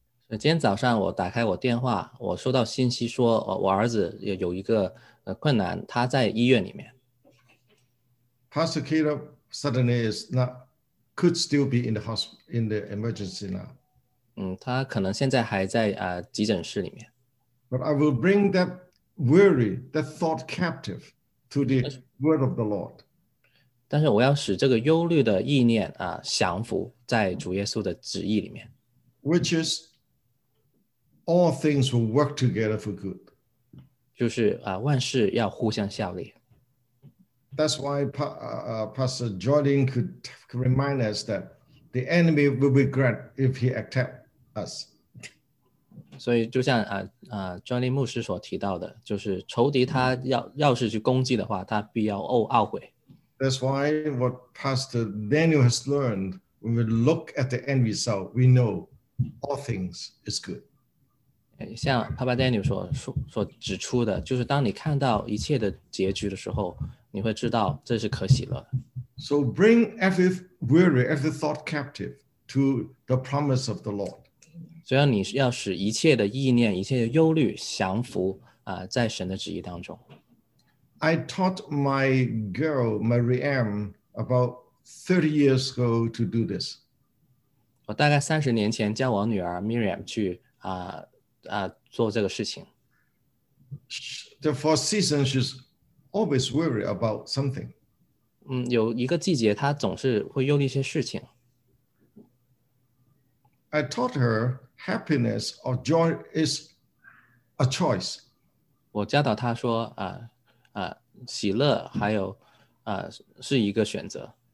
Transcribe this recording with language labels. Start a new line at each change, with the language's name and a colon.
Chinese: 今天早上我打开我电话，我收到信息说我儿子有一个困难，他在医院里面。
English: Pastor Caleb suddenly is not could still be in the hospital in the emergency now.
Chinese: 他可能现在还在急诊室里面。
English: But I will bring that worry, that thought captive to the word of the Lord.
Chinese: 但是我要使这个忧虑的意念降服在主耶稣的旨意里面。
English: Which is all things will work together for good.
Chinese: 就是万事要互相效力。
English: That's why Pastor Jordan could remind us that the enemy will regret if he attack us.
Chinese: 所以就像Johnny 牧师所提到的，就是仇敌他要是去攻击的话，他必要懊悔。
English: That's why what Pastor Daniel has learned, when we look at the end result, we know all things is good.
Chinese: 像 Papa Daniel 所指出的，就是当你看到一切的结局的时候，你会知道这是可喜乐。
English: So bring every worry, every thought captive to the promise of the Lord.
Chinese: 所以你要使一切的意念、一切的忧虑降服在神的旨意当中。
English: I taught my girl, Mariam, about 30 years ago to do this.
Chinese: 我大概30年前教我女儿 Miriam 去做这个事情。
English: The four seasons, she's always worried about something.
Chinese: 有一个季节她总是会忧虑一些事情。
English: I taught her happiness or joy is a choice.
Chinese: 我教导她说喜乐还有是一个选择。